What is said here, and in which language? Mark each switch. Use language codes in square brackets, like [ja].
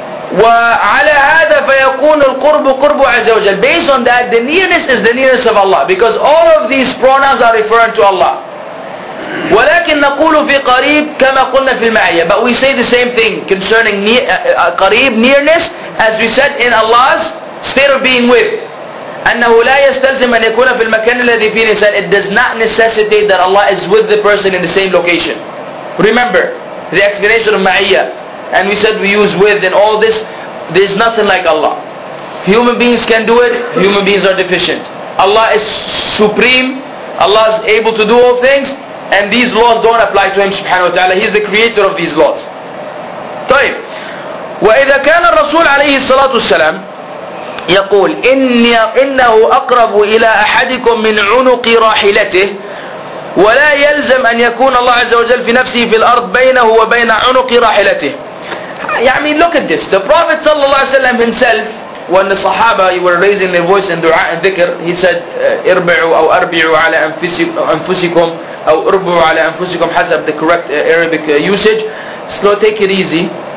[ar] وعلى هذا فيكون القرب قرب عز وجل. [en] Based on that, the nearness is the nearness of Allah, because all of these pronouns are referring to Allah. [ar] ولكن نقول في قريب كما قلنا في المعية. [en] But we say the same thing concerning قريب, nearness, as we said in Allah's state of being with. [ar] أنه لا يستلزم أن يكون في المكان الذي فيه. [en] He said it does not necessitate that Allah is with the person in the same location. Remember the explanation of معية. and we said we use with and all this, there's nothing like Allah. Human beings can do it, human beings are deficient. Allah is supreme, Allah is able to do all things, and these laws don't apply to Him subhanahu wa ta'ala. He's the creator of these laws. [ar] طيب وإذا كان الرسول عليه الصلاة والسلام يقول إنه أقرب إلى أحدكم من عنق راحلته ولا يلزم أن يكون الله عز وجل في نفسه في الأرض بينه وبين عنق راحلته. [en] I mean, look at this. The Prophet [ar] صلى الله عليه وسلم [en] himself, when the Sahaba were raising their voice in dua and dhikr, he said [ar] إربعوا أو أربعوا على أنفسكم [en] أو أربعوا على أنفسكم, [ar] حسب [en] the correct Arabic usage. So take it easy.